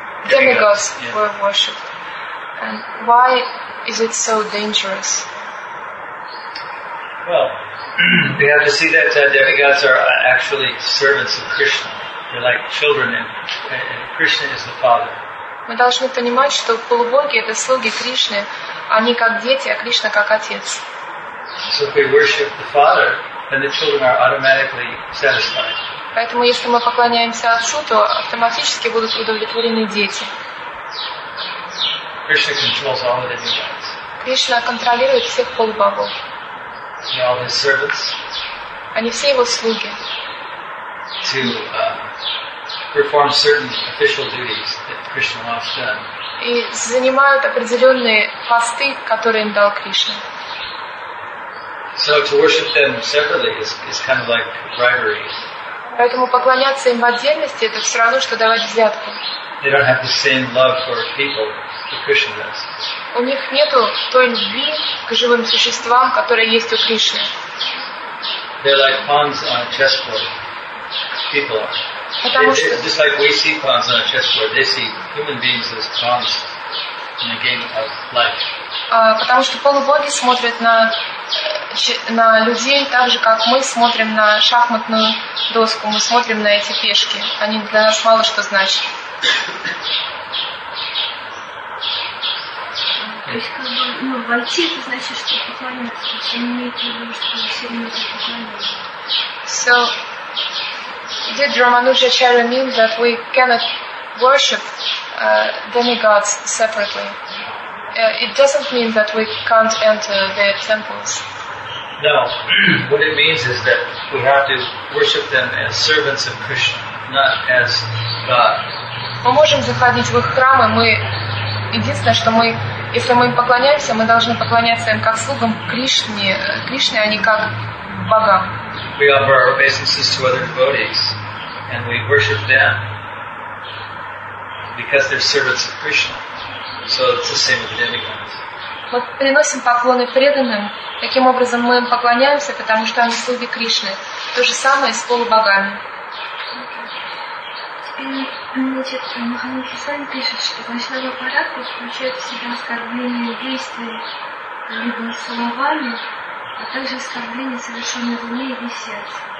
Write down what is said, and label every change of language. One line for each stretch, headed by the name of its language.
English: Were worshipped. And why is it so dangerous? Well, we have to see that demigods are actually servants of Krishna. They're like children, and Krishna is the father.
Russian: Мы должны понимать, что полубоги это слуги Кришны, они как дети, а Кришна как отец.
English: So if we worship the father, then the children are automatically satisfied.
Russian: Поэтому если мы поклоняемся отцу, то автоматически будут удовлетворены дети.
English: Krishna controls all of the demigods.
Russian: Кришна контролирует всех полубогов.
English: They're all his servants.
Russian: Они все его слуги.
English: To perform certain official duties that Krishna wants done.
Russian: И занимают определенные посты, которые им дал Кришна.
English: So to worship them separately is kind of like bribery.
Russian: Поэтому поклоняться им в отдельности это все равно, что давать взятку.
English: They don't have the same love for people that Krishna does.
Russian: У них нету той любви к живым существам, которая есть у Кришны.
English: They're like pawns on a chessboard. People are. Just like we see pawns on a chessboard, they see human beings as pawns in a game of life.
Russian: Потому что полубоги смотрят на людей так же, как мы смотрим на шахматную доску. Мы смотрим на эти пешки. Они для нас мало что значат. То есть, войти, это значит, что поклоняться.
English: Did Ramanujacharya mean that we cannot worship demigods separately? It doesn't mean that we can't enter their temples. No. What it means is that we have to worship them as servants of Krishna, not as God.
Russian: Мы можем заходить в их храмы, единственное, что мы, если мы им поклоняемся, мы должны поклоняться им как слугам Кришне, а не как богам.
English: We offer our obeisances to other devotees. And we worship them because they're servants of Krishna. So it's the same with the demigods.
Russian: Мы приносим поклоны преданным. Таким образом мы им поклоняемся, потому что они слуги Кришны. То же самое с полубогами. Маханитхи Свами пишет, что вайшнава парапа включает в себя оскорбление действий либо словами, а также оскорбление совершенное в уме или сердце.